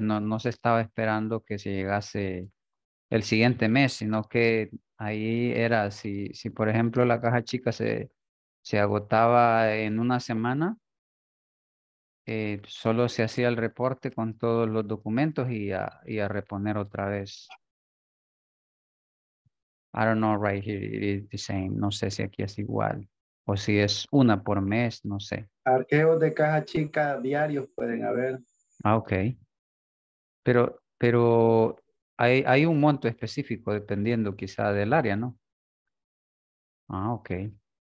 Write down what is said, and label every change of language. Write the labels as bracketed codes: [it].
[es] No se estaba esperando que se llegase el siguiente mes, sino que ahí era, si por ejemplo la caja chica se agotaba en una semana, solo se hacía el reporte con todos los documentos y a reponer otra vez. [en] I don't know, right here it is the same. [es] No sé si aquí es igual o si es una por mes, no sé. Arqueos de caja chica diarios pueden haber. Ah, okay. Pero hay un monto específico dependiendo quizá del área, ¿no? Ah, okay.